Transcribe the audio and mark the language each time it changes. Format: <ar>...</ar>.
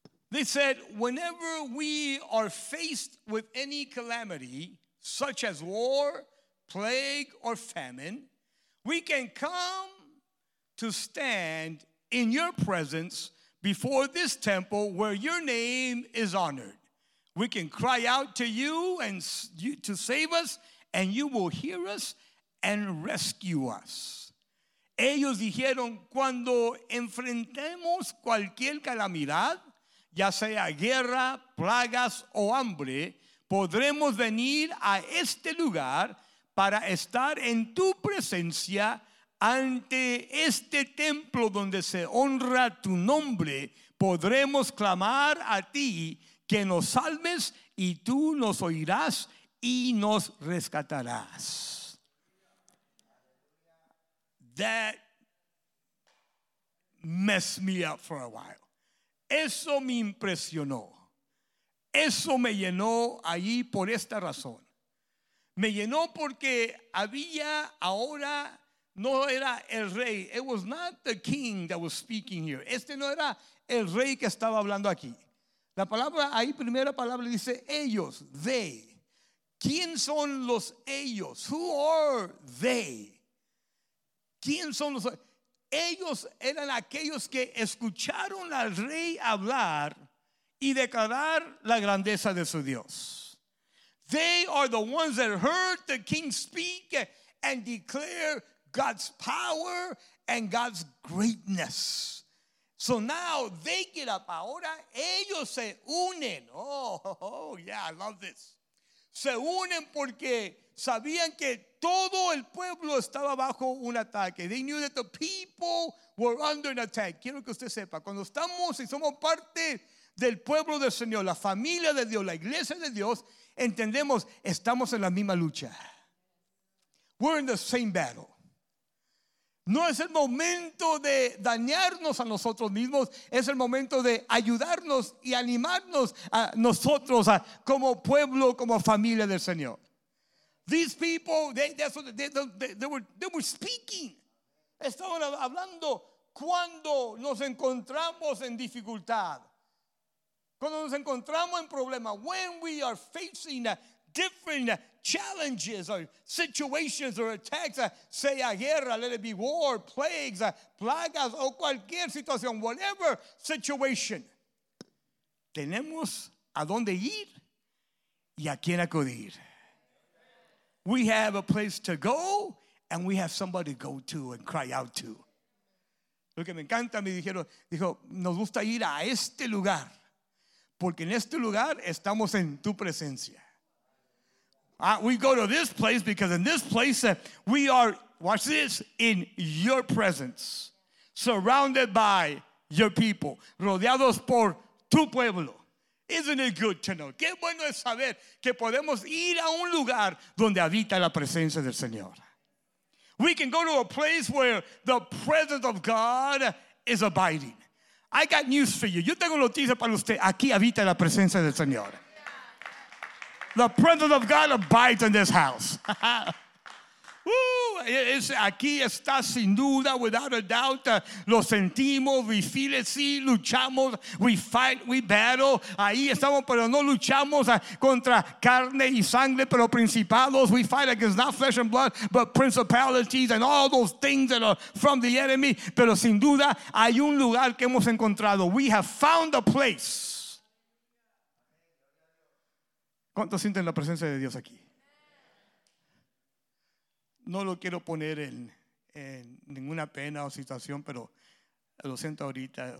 <en>They said, whenever we are faced with any calamity, such as war, plague, or famine, we can come to stand in your presence before this temple where your name is honored. We can cry out to you and to save us, and you will hear us and rescue us.</en> <es>Ellos dijeron, cuando enfrentemos cualquier calamidad, ya sea guerra, plagas o hambre, podremos venir a este lugar para estar en tu presencia ante este templo donde se honra tu nombre. Podremos clamar a ti que nos salves y tú nos oirás y nos rescatarás.</es> <en>That messed me up for a while.</en> <es>Eso me impresionó. Eso me llenó allí por esta razón. Me llenó porque había ahora, no era el rey.</es> <en>It was not the king that was speaking here.</en> <es>Este no era el rey que estaba hablando aquí. La palabra, ahí primera palabra dice ellos,</es> <en>they.</en> <es>¿Quién son los ellos?</es> <en>Who are they?</en> <es>¿Quién son los? Ellos eran aquellos que escucharon al rey hablar y declarar la grandeza de su Dios.</es> <en>They are the ones that heard the king speak and declare God's power and God's greatness. So now they get up.</en> <es>Ahora ellos se unen.</es> <en>Oh, yeah, I love this.</en> <es>Se unen porque sabían que todo el pueblo estaba bajo un ataque.</es> <en>They knew that the people were under an attack.</en> <es>Quiero que usted sepa, cuando estamos y somos parte del pueblo del Señor, la familia de Dios, la iglesia de Dios, entendemos, estamos en la misma lucha.</es> <en>We're in the same battle.</en> <es>No es el momento de dañarnos a nosotros mismos, es el momento de ayudarnos y animarnos a nosotros a, como pueblo, como familia del Señor.</es> <en>These people, they were speaking.</en> <es>Estaban hablando cuando nos encontramos en dificultad. Cuando nos encontramos en problema,</es> <en>when we are facing different challenges or situations or attacks,</en> <es>sea guerra,</es> <en>let it be war, plagues,</en> <es>plagas, o cualquier situación,</es> <en>whatever situation,</en> <es>tenemos a dónde ir y a quién acudir.</es> <en>We have a place to go and we have somebody to go to and cry out to.</en> <es>Lo que me encanta, me dijeron, dijo, nos gusta ir a este lugar porque en este lugar estamos en tu presencia.</es> <en>We go to this place because in this place we are, watch this, in your presence, surrounded by your people,</en> <es>rodeados por tu pueblo.</es> <en>Isn't it good to know?</en> <es>Qué bueno es saber que podemos ir a un lugar donde habita la presencia del Señor.</es> <en>We can go to a place where the presence of God is abiding. I got news for you.</en> <es>Yo tengo noticia para usted. Aquí habita la presencia del Señor.</es> <en>The presence of God abides in this house. It's,</en> <es>aquí está sin duda,</es> <en>without a doubt.</en> <es>Lo sentimos,</es> <en>we feel it,</en> <es>sí, luchamos,</es> <en>we fight, we battle.</en> <es>Ahí estamos, pero no luchamos contra carne y sangre, pero principados.</es> <en>We fight against not flesh and blood, but principalities and all those things that are from the enemy.</en> <es>Pero sin duda, hay un lugar que hemos encontrado.</es> <en>We have found a place.</en> <es>¿Cuántos sienten la presencia de Dios aquí? No lo quiero poner en ninguna pena o situación, pero lo siento ahorita.</es>